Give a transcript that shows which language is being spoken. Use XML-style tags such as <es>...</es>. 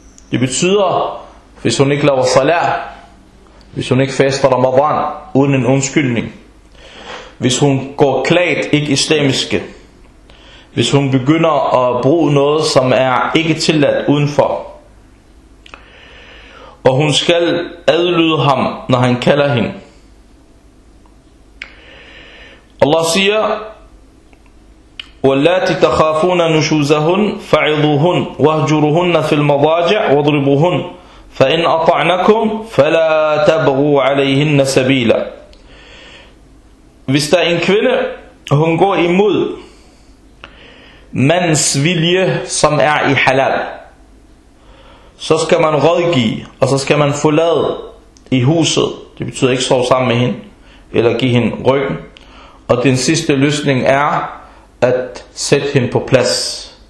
<da>Det betyder, hvis hun ikke laver salat, hvis hun ikke faster Ramadan uden en undskyldning, hvis hun går klædt ikke islamiske, hvis hun begynder at bruge noget, som er ikke tilladt udenfor, og hun skal adlyde ham, når han kalder hende. Allah siger,</da> <ar>واللاتي تخافون نشوزهن فعظوهن واهجروهن في المضاجع واضربوهن فإن أطعنكم فلا تبغوا عليهن سبيلا.</ar> <da>Hvis der er en kvinde, hun går imod mands vilje, som er i halal, så skal man rådgive, og så skal man forlade i huset. Det betyder ikke sove sammen med hende, eller give hende ryggen. Og den sidste løsning er at sætte hende på plads.</da>